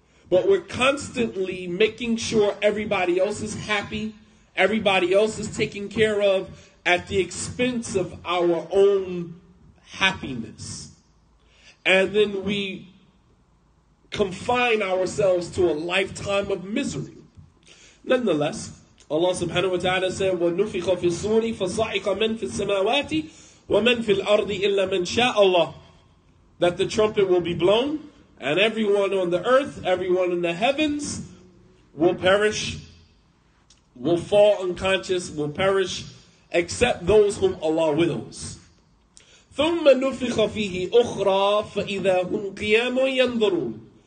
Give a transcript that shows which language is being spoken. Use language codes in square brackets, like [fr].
[en] But we're constantly making sure everybody else is happy, everybody else is taken care of, at the expense of our own happiness. And then we confine ourselves to a lifetime of misery. Nonetheless, Allah subhanahu wa ta'ala said, [ar] وَنُفِخَ فِي الصُّورِ فَصَعِقَ مَنْ فِي السَّمَاوَاتِ وَمَنْ فِي الْأَرْضِ إِلَّا مَنْ شَاءَ اللَّهِ. [en] That the trumpet will be blown, and everyone on the earth, everyone in the heavens, will perish, will fall unconscious, will perish, except those whom Allah wills. [ar] ثُمَّ نُفِخَ فِيهِ أُخْرَى فَإِذَا هُمْ قِيَامٌ يَنْظُرُونَ.